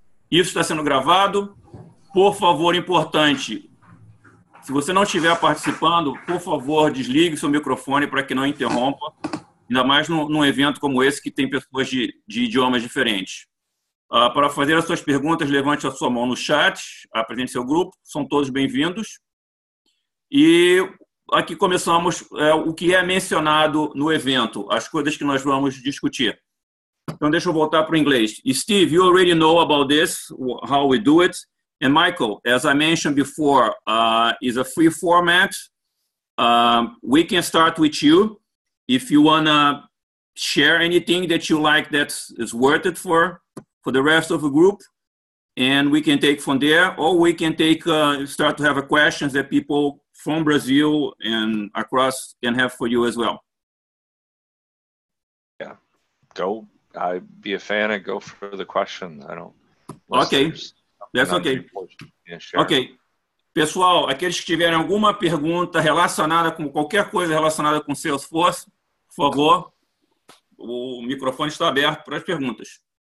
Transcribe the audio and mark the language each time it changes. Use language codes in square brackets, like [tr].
[pt] Isso está sendo gravado. Por favor, importante, se você não estiver participando, por favor, desligue seu microfone para que não interrompa, ainda mais num evento como esse que tem pessoas de idiomas diferentes. Para fazer as suas perguntas, levante a sua mão no chat, apresente seu grupo, são todos bem-vindos. E aqui começamos o que é mencionado no evento, as coisas que nós vamos discutir. Então, deixa eu voltar para o inglês. [en] Steve, you already know about this, how we do it. And Michael, as I mentioned before, is a free format. We can start with you. If you want to share anything that you like that is worth it for the rest of the group, and we can take from there, or we can start to have questions that people from Brazil and across can have for you as well. Yeah, go. I'd be a fan and go for the question. I don't. Okay, that's okay. [pt] Okay, pessoal, aqueles que tiverem alguma pergunta relacionada com qualquer coisa relacionada com Salesforce, por favor, o microfone está aberto para as perguntas.